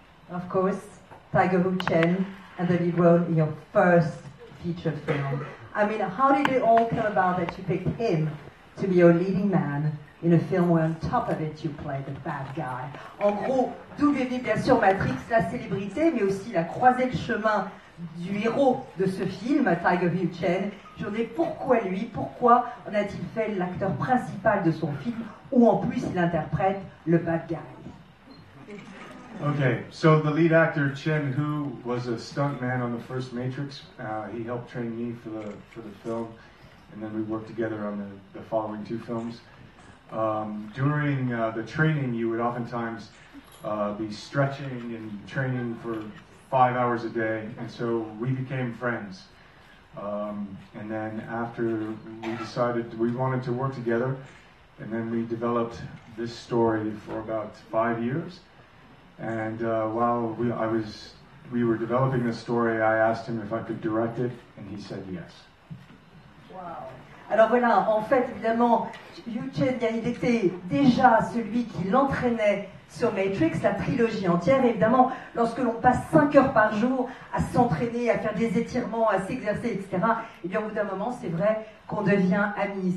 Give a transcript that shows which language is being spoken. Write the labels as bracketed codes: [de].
[en] Of course, Tiger Wu Chen and the lead role in your first feature film. I mean, how did it all come about that you picked him to be your leading man in a film where, on top of it, you play the bad guy? [fr] En gros, d'où vient bien sûr Matrix, la célébrité, mais aussi la croisée de chemin du héros de ce film, Tiger Wu Chen. Je voudrais pourquoi lui, pourquoi en a-t-il fait l'acteur principal de son film, où en plus il interprète le bad guy. [en] Okay, so the lead actor Chen Hu was a stuntman on the first Matrix. He helped train me for the film, and then we worked together on the following two films. During the training, you would oftentimes be stretching and training for 5 hours a day, and so we became friends. And then after, we decided we wanted to work together, and then we developed this story for about 5 years. And while we were developing this story, I asked him if I could direct it, and he said yes. Wow. [fr] Alors voilà, en fait, évidemment, Yu Chen, il était déjà celui qui l'entraînait sur Matrix, la trilogie entière. Et évidemment, lorsque l'on passe 5 heures par jour à s'entraîner, à faire des étirements, à s'exercer, etc., et bien au bout d'un moment, c'est vrai qu'on devient ami.